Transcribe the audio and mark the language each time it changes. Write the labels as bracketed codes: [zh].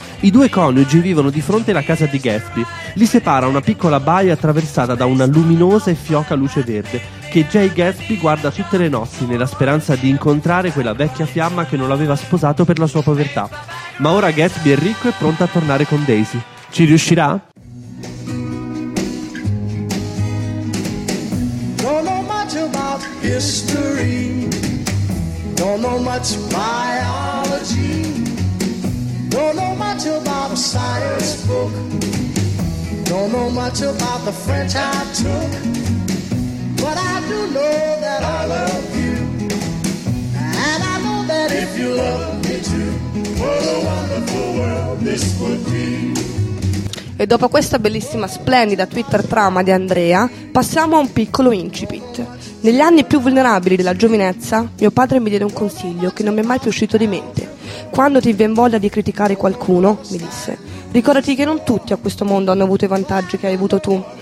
[it] I due coniugi vivono di fronte alla casa di Gatsby. Li separa una piccola baia attraversata da una luminosa e fioca luce verde che Jay Gatsby guarda tutte le notti nella speranza di incontrare quella vecchia fiamma che non l'aveva sposato per la sua povertà. Ma ora Gatsby è ricco e pronto a tornare con Daisy. Ci riuscirà? [en] Don't know much about history. Don't know much biology. Don't know much about a science book. Don't know much about the French I took. But I do know that I love you. And I know that if you love me too, what a wonderful world this would be. [it] E dopo questa bellissima, splendida Twitter trama di Andrea, passiamo a un piccolo incipit. Negli anni più vulnerabili della giovinezza, mio padre mi diede un consiglio che non mi è mai più uscito di mente. Quando ti viene voglia di criticare qualcuno, mi disse, ricordati che non tutti a questo mondo hanno avuto i vantaggi che hai avuto tu.